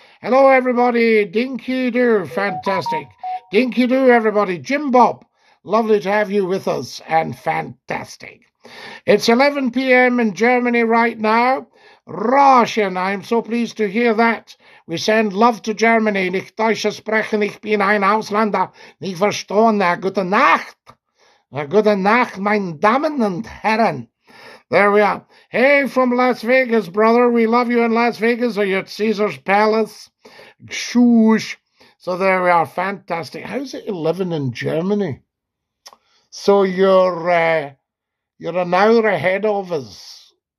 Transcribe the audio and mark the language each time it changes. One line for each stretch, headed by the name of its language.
English: Hello, everybody. Dinky-doo. Fantastic. Dinky-doo, everybody. Jim Bob, lovely to have you with us, and fantastic. It's 11 p.m. in Germany right now. Roshan, I'm so pleased to hear that. We send love to Germany.
German: Nicht Deutsche sprechen, ich bin ein Ausländer. Nicht verstehen, gute Nacht. Gute Nacht, mein Damen und Herren.
English: There we are. Hey, from Las Vegas, brother. We love you in Las Vegas. Are you at Caesar's Palace? Shush. So there we are. Fantastic. How's it 11 in Germany? So you're an hour ahead of us.